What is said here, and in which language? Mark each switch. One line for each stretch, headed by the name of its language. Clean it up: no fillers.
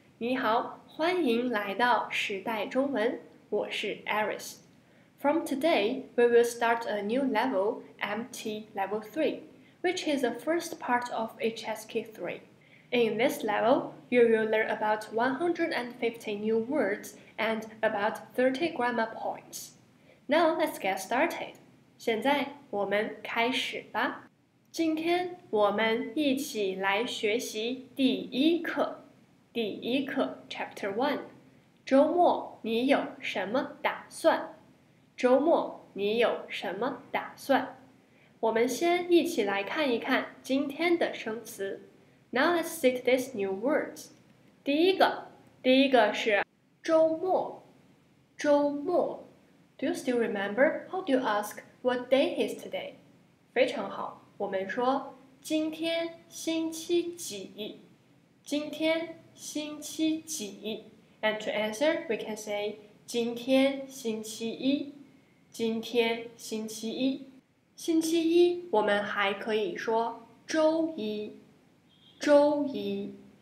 Chinese: 你好，欢迎来到时代中文。我是 Iris.
English: From today, we will start a new level, MT Level 3, which is the first part of HSK 3. In this level, you will learn about 150 new words and about 30 grammar points. Now, let's get started.
Chinese: 现在我们开始吧。今天我们一起来学习第一课。第一课 Chapter 1 周末你有什么打算？周末你有什么打算？我们先一起来看一看今天的生词。
English: Now let's see these new words.
Chinese: 第一个是周末。周末。
English: Do you still remember? How do you ask what day is today?
Chinese: 非常好。我们说今天星期几，今天星期几。
English: And to answer, we can say
Chinese: 今天星期一，今天星期一。星期一，我们还可以说周一，周一。